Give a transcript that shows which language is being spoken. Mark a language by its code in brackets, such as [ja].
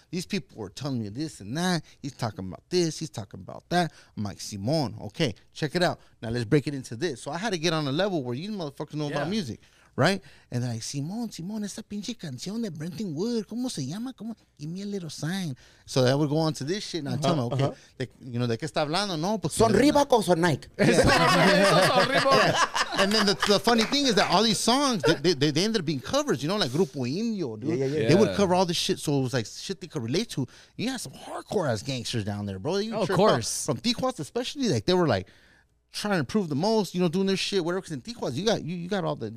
[en] These people were telling me this and that. He's talking about this. He's talking about that. I'm like, Simon, okay, check it out. Now let's break it into this. So I had to get on a level where these motherfuckers know about music, right? And they're like, [es] Simon, esa pinche canción de Brenton Wood. ¿Cómo se llama? ¿Cómo? [en] Give me a little sign. So that would go on to this shit. And I tell them, okay, [es] ¿de qué está hablando? No, pues. Son Reebok [en] or [es] son Nike? [en] And then the funny thing is that all these songs, they ended up being covers, you know, like Grupo Indio, dude. Yeah. They would cover all this shit, so it was like shit they could relate to. You had some hardcore-ass gangsters down there, bro. Of course. From Tijuas especially, like, they were, like, trying to prove the most, you know, doing their shit, whatever. Because in Tijuas, you got all the